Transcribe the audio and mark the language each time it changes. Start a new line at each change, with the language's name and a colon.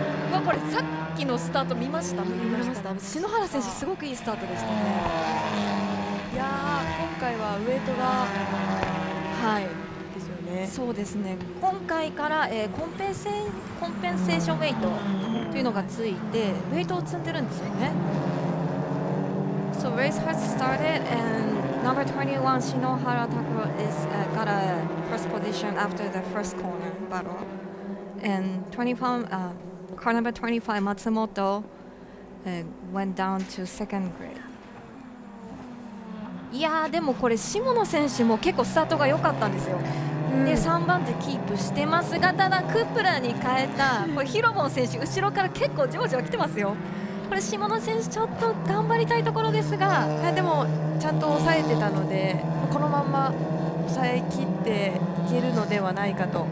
Japanese: うわこれさっきのスタート見ました、篠原選手すごくいいスタートでしたね。いやー今回はウエイトが、はいですよね、そうですね、今回から、コンペンセーションウェイトというのがついてウェイトを積んでるんですよね。
English: So race has started and number 21 Shinohara Takuro is got a first position after the first corner battle and 25, car number 25 Matsumoto went down to second grid。
Japanese: いやーでもこれ下野選手も結構スタートが良かったんですよ、うん、で3番手キープしてますが、ただクープラーに変えたこれヒロボン選手後ろから結構ジョージョー来てますよ。これ下野選手ちょっと頑張りたいところですが、でもちゃんと抑えてたのでこのまま抑え切っていけるのではないかと。